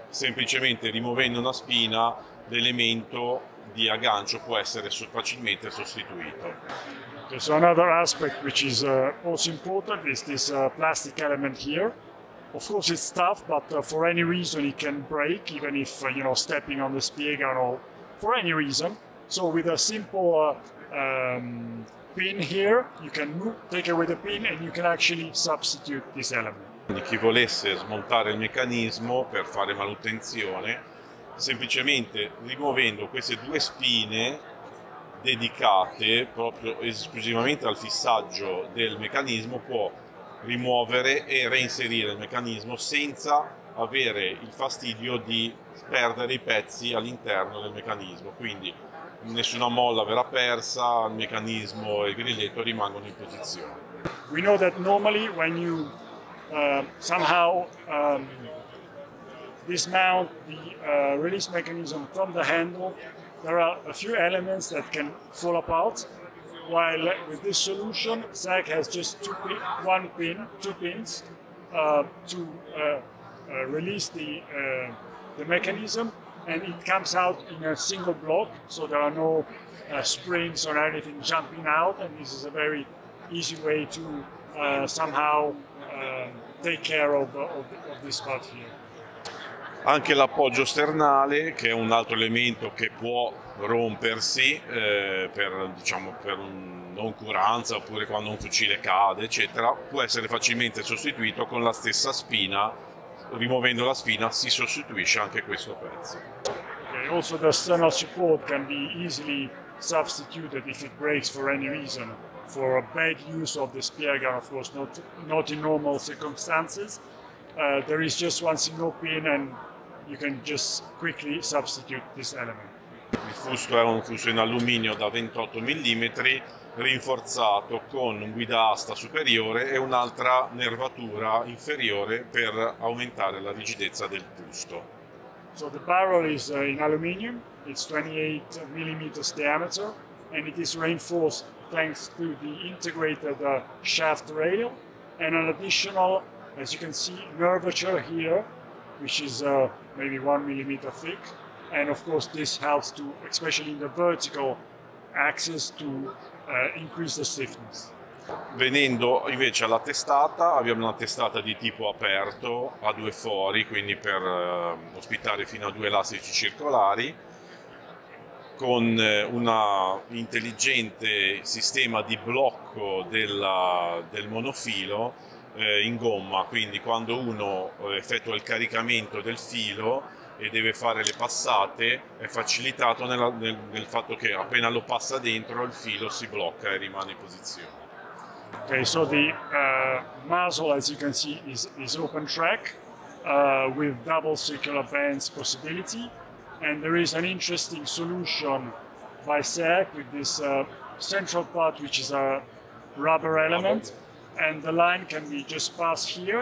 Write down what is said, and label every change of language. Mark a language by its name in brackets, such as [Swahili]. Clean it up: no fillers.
[Italian] Semplicemente rimuovendo una spina, l'elemento di aggancio può essere facilmente sostituito. [English] So another aspect which is also important is this plastic element here. Of course it's tough, but for any reason it can break, even if you know, stepping on the spear gun or for any reason. So with a simple pin here, you can take away the pin and you can actually substitute this element. [Italian] Quindi chi volesse smontare il meccanismo per fare manutenzione, semplicemente rimuovendo queste due spine dedicate proprio esclusivamente al fissaggio del meccanismo, può rimuovere e reinserire il meccanismo senza avere il fastidio di perdere i pezzi all'interno del meccanismo. Quindi nessuna molla verrà persa, il meccanismo e il grilletto rimangono in posizione. [English] We know that normally when you somehow dismount the release mechanism from the handle, there are a few elements that can fall apart. While with this solution, Zach has just two pins to release the mechanism, and it comes out in a single block, so there are no springs or anything jumping out, and this is a very easy way to somehow take care of this part here. [Italian] Anche l'appoggio sternale, che è un altro elemento che può rompersi per un non curanza oppure quando un fucile cade, eccetera, può essere facilmente sostituito con la stessa spina. Rimuovendo la spina si sostituisce anche questo pezzo. [English] Okay, also the external support can be easily substituted if it breaks for any reason. For a bad use of the spear gun, of course, not in normal circumstances. There is just one single pin and you can just quickly substitute this element. [Italian] Il fusto è un fusto in alluminio da 28 mm rinforzato con un guidasta superiore e un'altra nervatura inferiore per aumentare la rigidezza del fusto. [English] So the barrel is in aluminium, it's 28 mm diameter and it is reinforced thanks to the integrated shaft rail and an additional, as you can see, nervature here, which is maybe 1 millimeter thick. And of course this helps to, especially in the vertical axis, to increase the stiffness. [Italian] Venendo invece alla testata, abbiamo una testata di tipo aperto a due fori, quindi per ospitare fino a due elastici circolari, con un intelligente sistema di blocco del monofilo in gomma. Quindi quando uno effettua il caricamento del filo e deve fare le passate, è facilitato nel fatto che appena lo passa dentro il filo si blocca e rimane in posizione. [English] Okay, so the muzzle, as you can see, is open track with double circular bends possibility, and there is an interesting solution by SAC with this central part, which is a rubber element, and the line can be just passed here.